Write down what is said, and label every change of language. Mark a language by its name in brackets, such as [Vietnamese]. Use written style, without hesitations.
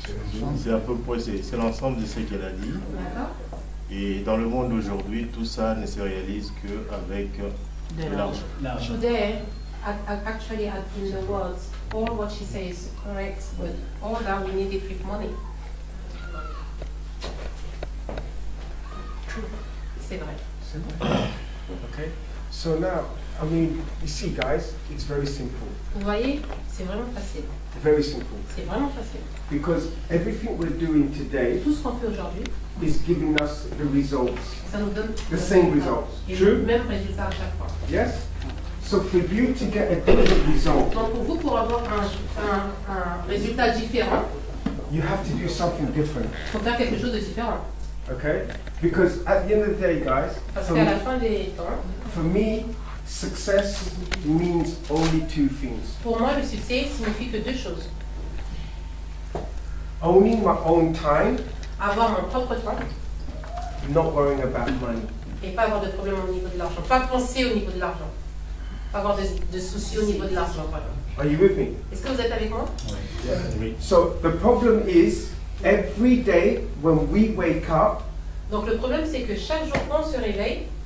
[French] Disons que c'est à peu près, c'est l'ensemble de ce qu'elle a dit. D'accord. Et dans le monde d'aujourd'hui, tout ça ne se réalise que avec de l'argent. [English] Today, actually, in the world, all what she says is correct, but all that we need is with money. True. [French] C'est vrai. C'est vrai. [English] Okay. So now, I mean, you see, guys, it's very simple. [French] Vous voyez, c'est vraiment facile. [English] Very simple. [French] C'est vraiment facile. [English] Because everything we're doing today. [French] Tout ce qu'on fait aujourd'hui. [English] Is giving us the results. [French] Ça nous donne [English] the same results. True? [French] Le même résultat à chaque fois. [English] Yes? So for you to get a different result. [French] Donc pour vous, pour avoir un résultat différent, [English] you have to do something different. [French] Faut faire quelque chose de différent. [English] Okay? Because at the end of the day, guys, for me, success means only two things. [French] Pour moi, le succès signifie que deux choses. [English] Owning my own time. [French] Avoir mon propre temps. [English] Not worrying about money. [French] Et pas avoir de problème au niveau de l'argent. Pas penser au niveau de l'argent. Pas avoir de soucis au niveau de l'argent. Pardon. [English] Are you with me? [French] Est-ce que vous êtes avec moi? Oui. [English] So the problem is, every day when we wake up. [French] Donc le problème c'est que chaque jour qu'on se réveille.